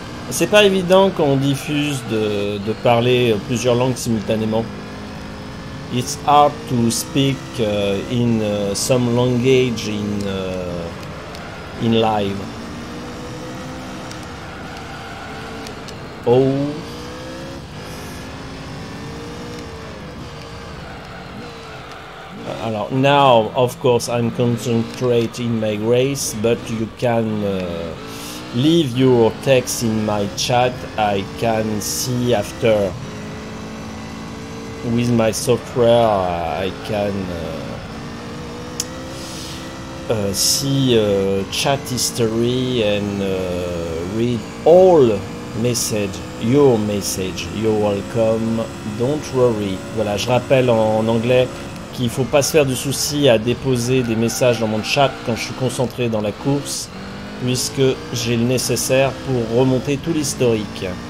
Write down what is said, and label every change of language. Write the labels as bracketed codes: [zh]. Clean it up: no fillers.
[fr] C'est pas évident quand on diffuse de parler plusieurs langues simultanément. [en] It's hard to speak in some language in live. Oh. Alors, now, of course, I'm concentrating my grace, but you can leave your text in my chat. I can see after. With my software, I can see chat history and read all messages, your message. You're welcome. Don't worry. [fr] Voilà, je rappelle en anglais qu'il faut pas se faire de soucis à déposer des messages dans mon chat quand je suis concentré dans la course, puisque j'ai le nécessaire pour remonter tout l'historique.